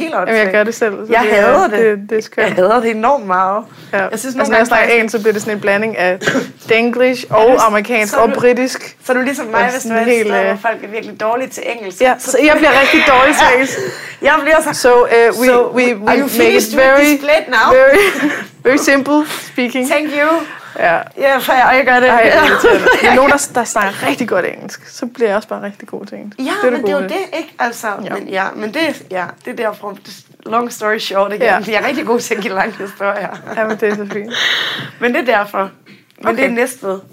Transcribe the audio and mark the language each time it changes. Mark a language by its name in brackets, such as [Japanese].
[Danish] Jamen, jeg gør det selv. Jeg hader det. Det er skønt. Jeg hader det enormt meget. Ja. Jeg synes, altså, når jeg snakker en, så bliver det sådan en blanding af denglish og amerikansk og britisk. Så er du ligesom mig, hvis du er helt, sted, hvor folk er virkelig dårlige til engelsk. Ja, så jeg bliver rigtig dårlig til engelsk. Jeg bliver så... [English] So, we are you finished very, with this plate now? Very, very simple speaking. Thank you. [Danish] Ja, for jeg gør det. Ej, men nogen, der snakker rigtig godt engelsk, så bliver jeg også bare rigtig god til engelsk. Ja, det men det er jo det, ikke? Altså, ja. Men, ja, men det, ja, det er derfor, [English] long story short [Danish] igen, ja. Jeg er rigtig god til at give lang historie. Ja, men det er så fint. Men det er derfor. Men okay. Det er næste.